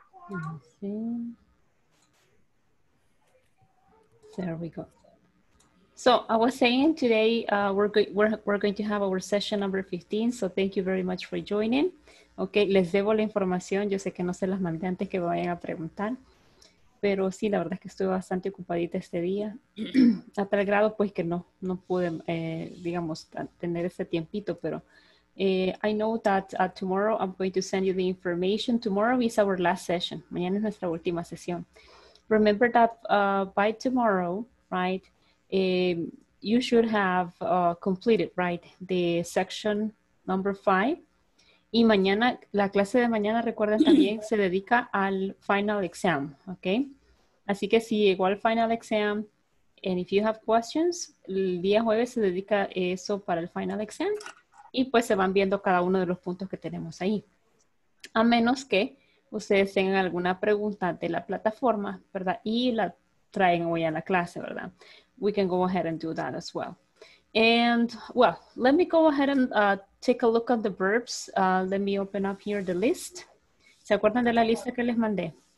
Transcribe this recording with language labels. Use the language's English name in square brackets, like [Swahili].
[English] Let me see. There we go. So I was saying today we're going to have our session number 15. So thank you very much for joining. Okay, [Spanish] les debo la información. Yo sé que no se las mandé antes que me vayan a preguntar. Pero sí, la verdad es que estuve bastante ocupadita este día, a tal grado pues que no pude, digamos, tener ese tiempito, pero [English] I know that tomorrow I'm going to send you the information. Tomorrow is our last session. [Spanish] Mañana es nuestra última sesión. [English] Remember that by tomorrow, right, you should have completed, right, the section number 5. [Spanish] Y mañana, la clase de mañana, recuerden también, se dedica al final exam, ¿ok? Así que si llegó al final exam, [English] and if you have questions, [Spanish] el día jueves se dedica eso para el final exam. Y pues se van viendo cada uno de los puntos que tenemos ahí. A menos que ustedes tengan alguna pregunta de la plataforma, ¿verdad? Y la traen hoy a la clase, ¿verdad? [English] We can go ahead and do that as well. And well, let me go ahead and take a look at the verbs. Let me open up here the list. [Spanish] ¿Se acuerdan de la lista que les mandé?